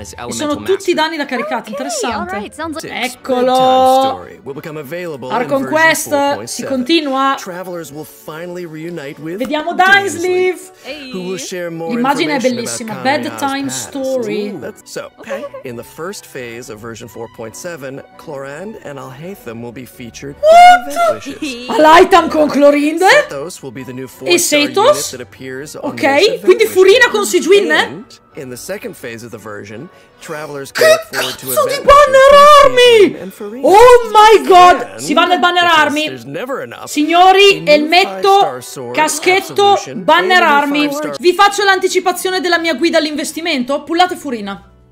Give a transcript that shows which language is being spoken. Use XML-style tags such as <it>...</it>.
<it>Sono tutti danni da caricati, interessante. Eccolo. Arkon Quest si continua. Vediamo Dainsleave. L'immagine è bellissima.</it> <en>Bedtime Story. In the first phase of version 4.7, Clorand and Alhatham will be featured.</en> <it>Alhatham con Clorinde? E Setos? Ok, quindi Furina con Siguin, eh?</it> <en>In the second phase of the version, travelers</en> <it>che cazzo di banner army!</it> <en>Oh my god!</en> <it>Si va nel banner army! Signori, elmetto, caschetto, banner army! Vi faccio l'anticipazione della mia guida all'investimento? Pullate Furina.</it>